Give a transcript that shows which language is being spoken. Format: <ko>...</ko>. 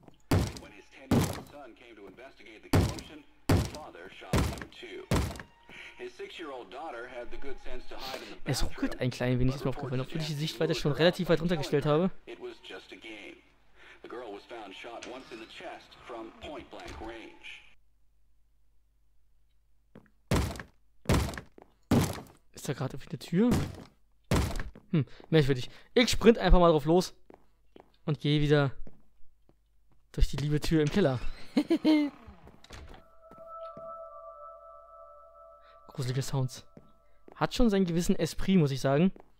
<en>When his 10-year-old son came to investigate the commotion, the father shot him too. His 6-year-old daughter had the good sense to hide in the bathroom.</en> <de>Es ruckelt ein klein wenig, ist mir aufgefallen, obwohl ich die Sichtweite schon relativ weit runtergestellt habe.</de> <en>It was just a game. The girl was found shot once in the chest from point blank range.</en> <de>Ist da gerade auf der Tür? Merkwürdig. Ich sprint einfach mal drauf los und gehe wieder durch die liebe Tür im Keller. Gruselige Sounds. Hat schon seinen gewissen Esprit, muss ich sagen.</de>